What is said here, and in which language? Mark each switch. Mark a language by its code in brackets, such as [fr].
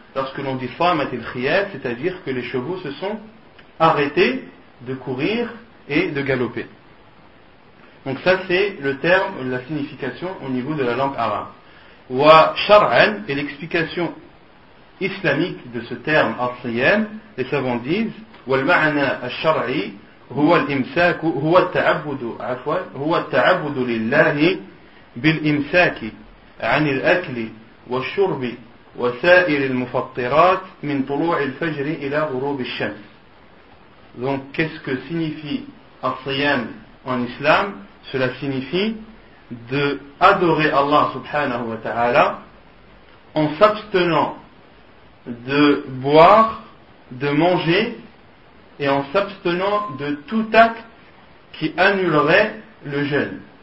[fr] Lorsque l'on dit Famat Al-Khayl, c'est-à-dire que les chevaux se sont arrêtés de courir et de galoper. Donc ça c'est le terme, la signification au niveau de la langue arabe. Wa Shar'an est l'explication islamique de ce terme Al-Khayl. Les savants disent [ar] والمعنى الشرعي هو الإمساك هو التعبد عفوا هو التعبد لله بالإمساك عن الأكل والشرب وسائر المفطرات من طلوع الفجر إلى غروب الشمس. [fr] Donc qu'est-ce que signifie الصيام en islam? Cela signifie d'adorer Allah subhanahu wa ta'ala en s'abstenant de boire, de manger et en s'abstenant de tout acte qui annulerait le jeûne.